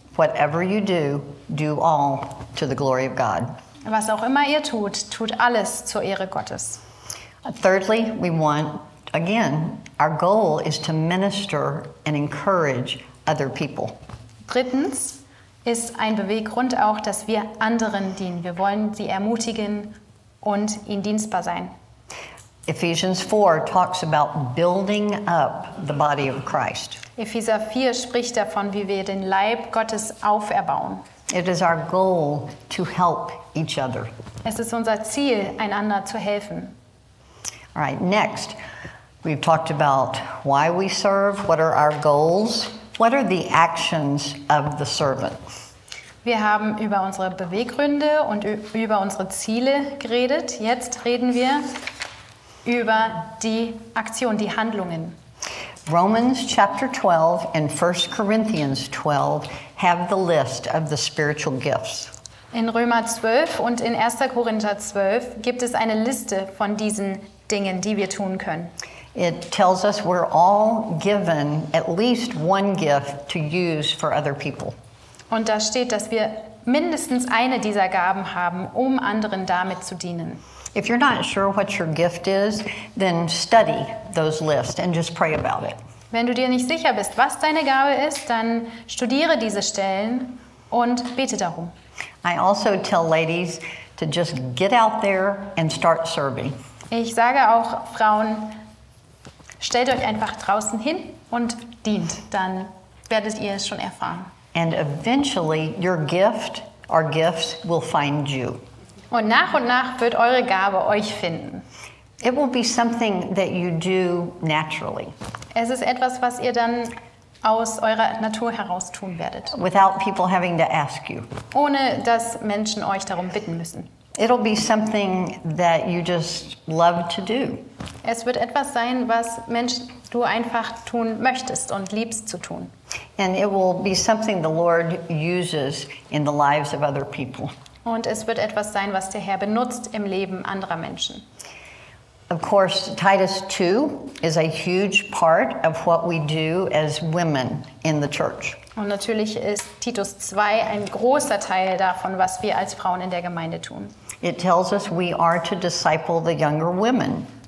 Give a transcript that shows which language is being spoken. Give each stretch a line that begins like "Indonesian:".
English: Whatever you do, do all to the glory of God.
German: Was auch immer ihr tut, tut alles zur Ehre Gottes.
English: Thirdly, we want, again, our goal is to minister and encourage other people.
German: Drittens ist ein Beweggrund auch, dass wir anderen dienen. Wir wollen sie ermutigen und ihnen dienstbar sein.
English: Ephesians 4 talks about building up the body of Christ.
German: Epheser 4 spricht davon, wie wir den Leib Gottes auferbauen.
English: It is our goal to help each other.
German: Es ist unser Ziel, einander zu helfen.
English: All right, next, we've talked about why we serve, what are our goals, what are the actions of the servant?
German: Wir haben über unsere Beweggründe und über unsere Ziele geredet. Jetzt reden wir über die Aktion, die Handlungen.
English: Romans chapter 12 and 1 Corinthians 12 have the list of the spiritual gifts.
German: In Römer 12 und in 1. Korinther 12 gibt es eine Liste von diesen Dingen, die wir tun können.
English: It tells us we're all given at least one gift to use for other people.
German: Und da steht, dass wir mindestens eine dieser Gaben haben, um anderen damit zu dienen.
English: If you're not sure what your gift is, then study those lists and just pray about it.
German: Wenn du dir nicht sicher bist, was deine Gabe ist, dann studiere diese Stellen und bete darum.
English: I also tell ladies to just get out there and start serving.
German: Ich sage auch Frauen, stellt euch einfach draußen hin und dient, dann werdet ihr es schon erfahren.
English: And eventually your gift or gifts will find you.
German: Und nach wird eure Gabe euch finden.
English: It will be something that you do naturally.
German: Es ist etwas, was ihr dann aus eurer Natur heraus tun werdet.
English: Without people having to ask you.
German: Ohne dass Menschen euch darum bitten müssen.
English: It'll be something that you just love to do.
German: Es wird etwas sein, was Mensch, du einfach tun möchtest und liebst zu tun.
English: And it will be something the Lord uses in the lives of other people.
German: Und es wird etwas sein, was der Herr benutzt im Leben anderer Menschen.
English: Of course, Titus 2 is a huge part of what we do as women in the church.
German: Und natürlich ist Titus 2 ein großer Teil davon, was wir als Frauen in der Gemeinde tun.
English: It tells us we are to disciple the younger women.